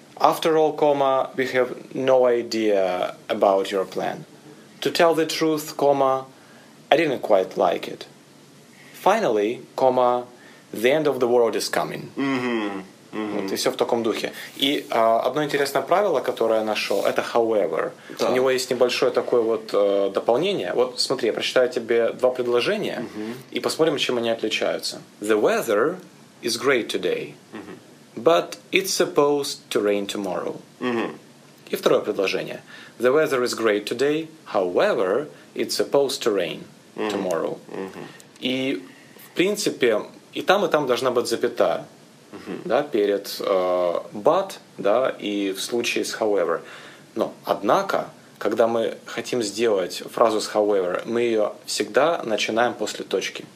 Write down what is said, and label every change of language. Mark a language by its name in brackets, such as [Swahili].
[English] After all, comma, we have no idea about your plan. To tell the truth, comma, I didn't quite like it. Finally, comma, the end of the world is coming. Mm-hmm. [Russian] Вот, и все в таком духе. И одно интересное правило, которое я нашел, это however. Да. У него есть небольшое такое вот дополнение. Вот смотри, я прочитаю тебе два предложения и посмотрим, чем они отличаются. [English] The weather is great today, but it's supposed to rain tomorrow. [Russian] И второе предложение. [English] The weather is great today, however, it's supposed to rain tomorrow. [Russian] И в принципе и там должна быть запятая. Да, перед but, да, и в случае с however. Но, однако, когда мы хотим сделать фразу с however, мы ее всегда начинаем после точки.